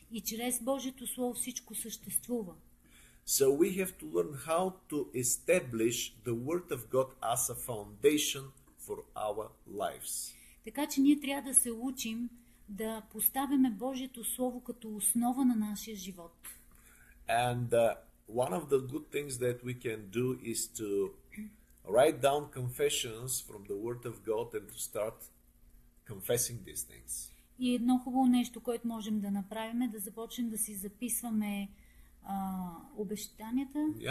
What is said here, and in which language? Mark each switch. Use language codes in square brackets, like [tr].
[bg] И чрез Божието слово всичко съществува. [en] So we have to learn how to establish the word of God as a foundation for our lives. [bg] Така че ние трябва да се учим да поставяме Божието слово като основа на нашия живот. [en] And one of the good things that we can do is to write down confessions from the word of God and to start confessing these things. [bg] И едно хубаво нещо, което можем да направим, е да започнем да си записваме обещанията.